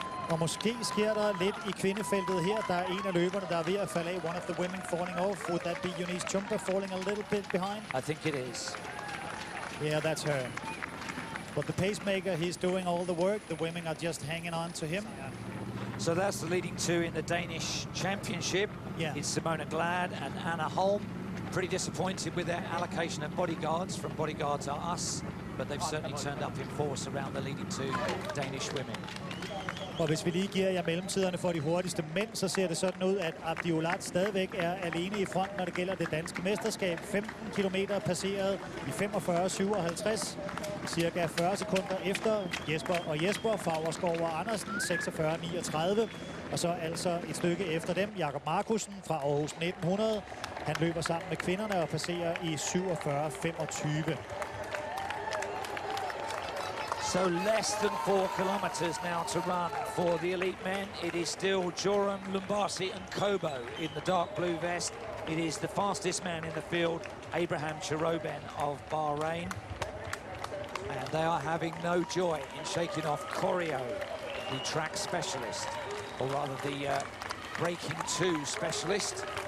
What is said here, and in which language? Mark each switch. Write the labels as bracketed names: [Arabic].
[Danish] Og måske sker der lidt i kvindefeltet her. Der er en af løberne, der er ved at falde af. [English] One of the women falling off. Would that be Eunice Chumpa falling a little bit behind? I think it is. Yeah, that's her. But the pacemaker, he's doing all the work. The women are just hanging on to him. So that's the leading two in the Danish championship. Yeah. It's Simona Glad and Anna Holm. Pretty disappointed with their allocation of bodyguards from Bodyguards Are Us, but they've certainly turned up in force around the leading two Danish women. [Danish] Og hvis vi lige giver jer mellemtiderne for de hurtigste mænd, så ser det sådan ud, at Abdi Olat stadigvæk er alene i front, når det gælder det danske mesterskab. 15 km passeret i 45:57, cirka 40 sekunder efter Jesper og Jesper, Fagerskov og Andersen, 46:39. Og så altså et stykke efter dem, Jakob Markussen fra Aarhus 1900. Han løber sammen med kvinderne og passerer i 47:25. [English] So less than 4 kilometers now to run for the elite men. It is still Joram Lumbasi and Kobo in the dark blue vest. It is the fastest man in the field, Abraham Chiropen of Bahrain. And they are having no joy in shaking off Corio, the track specialist, or rather the breaking two specialist.